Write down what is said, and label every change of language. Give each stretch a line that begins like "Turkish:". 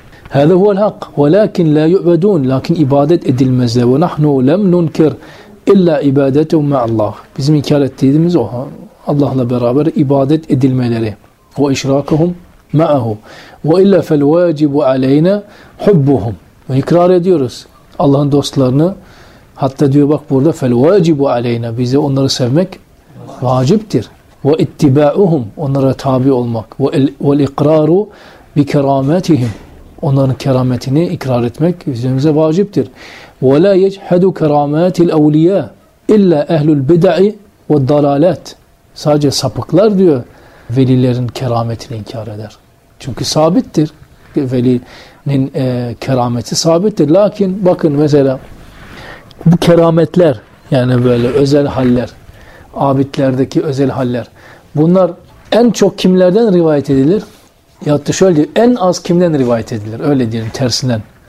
Arabic: هذا هو الحق ولكن لا يعبدون لكن
Turkish: ibadet edilmezler ve
Arabic: نحن لم ننكر الا عبادتهم مع الله
Turkish: bizim inkar ettiğimiz o Allah'la beraber ibadet edilmeleri
Arabic: ve işrakuhum معه والا فالواجب علينا حبهم
Turkish: ve ikrar ediyoruz Allah'ın dostlarını hatta diyor bak burada
Arabic: فالواجب علينا
Turkish: bize onları sevmek vaciptir ve ittibauhum onlara tabi olmak ve
Arabic: الاقرار بكرامتهم
Turkish: onların kerametini ikrar etmek üzerimize vaciptir.
Arabic: وَلَا يَجْحَدُ كَرَامَاتِ الْاَوْلِيَا اِلَّا اَهْلُ الْبِدَعِ وَالْضَلَالَةِ
Turkish: sadece sapıklar diyor velilerin kerametini inkar eder. Çünkü sabittir. Veli'nin kerameti sabittir. Lakin bakın mesela bu kerametler, yani böyle özel haller, abidlerdeki özel haller, bunlar en çok kimlerden rivayet edilir? Ya da şöyle diyeyim, en az kimden rivayet edilir? Öyle diyelim tersinden.